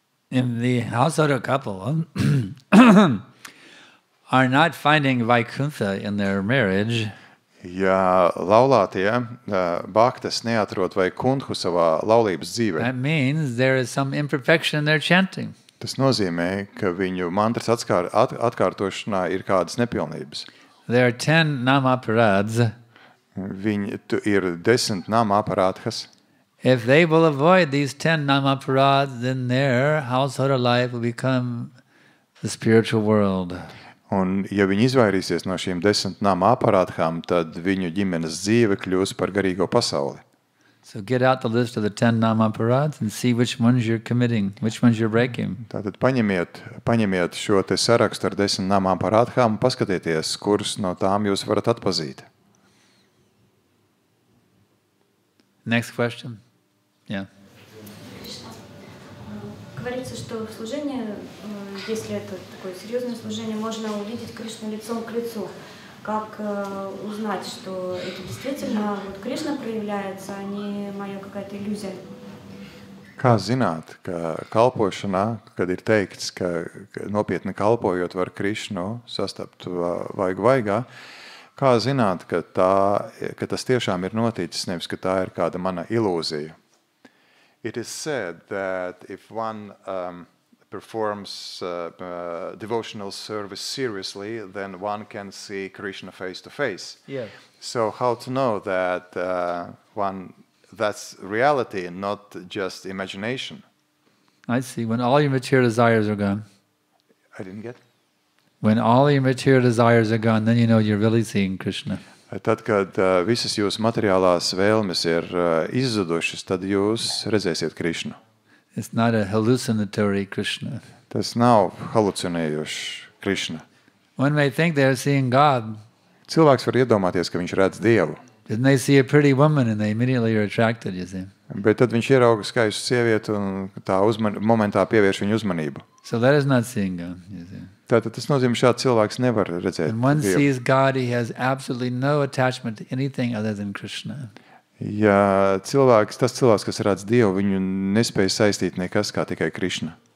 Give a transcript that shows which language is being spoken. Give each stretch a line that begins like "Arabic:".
English: In the household, a couple are not finding Vaikuntha in their marriage.
Latvian: Ja laulātie baktas neatrod Vaikunthu savā laulības dzīvē.
English: That means there is some imperfection in their chanting.
Latvian: Tas nozīmē, ka viņu mantras atkārtošanā ir kādas nepilnības.
English: There are 10 namaparādhas.
Latvian: Viņi ir 10 namaparādhas.
English: If they will avoid these 10 namaparādhas, then their household life will become the spiritual world.
Latvian: Un ja viņi izvairīsies no šīm 10 namaparādhām, tad viņu ģimenes dzīve kļūs par garīgo pasauli.
English: So get out the list of the 10 namaparādhas and see which ones you're committing, which ones you're breaking.
Latvian: Tātad paņemiet šo te sarakstu ar 10 namaparādhām un paskatieties, kurus no tām jūs varat atpazīt.
English: Next question. Yeah.
Russian: Говорится, что служение, если это такое серьёзное служение, можно увидеть Кришну лицом к лицу. Как узнать, что это действительно вот Кришна проявляется, а не моя какая-то иллюзия?
Latvian: Kā zināt, ka kalpošanā, kad ir teikts, ka nopietni kalpojot var Krišnu sastapt vaigā, kā zināt, ka tas tiešām ir noticis, nevis ka tā ir kāda mana ilūzija?
English: It is said that if one performs devotional service seriously, then one can see Krishna face to face. Yes. So how to know that one, that's reality, not just imagination? I see. When all your material desires are gone. I didn't get. When all your material desires are gone, then you know you're really seeing Krishna.
Latvian: Tad, kad visas jūsu materiālās vēlmes ir izzudušas, tad jūs redzēsiet Krišnu.
English: It's not a hallucinatory Krishna.
Latvian: Tas nav halucinējuši Krišna.
English: One may think they are seeing God.
Latvian: Cilvēks var iedomāties, ka viņš redz Dievu.
English: Then they see a pretty woman and they immediately are attracted, you see.
Latvian: Bet tad viņš ierauga skaistu sievieti un tā momentā pievērš viņu uzmanību.
English: So that is not seeing God, you see.
Latvian: Tātad tas nozīmē, ka šāds cilvēks nevar redzēt Dievu.
English: When one sees God, he has absolutely no attachment to anything other than Krishna.
Latvian: Ja cilvēks, tas cilvēks, kas redz Dievu, viņu nespēj saistīt nekas, kā tikai Krishna.